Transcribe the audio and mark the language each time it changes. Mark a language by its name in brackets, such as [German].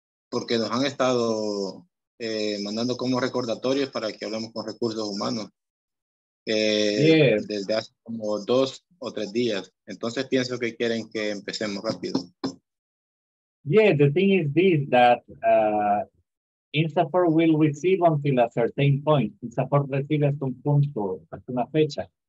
[Spanish] Porque nos han estado mandando como recordatorios para que hablemos con recursos humanos desde hace como 2 o 3 días. Entonces pienso que quieren que empecemos rápido. [English] Yeah, the thing is this, that INSAFORP will receive until a certain point. [Spanish] INSAFORP recibe hasta un punto, hasta una fecha.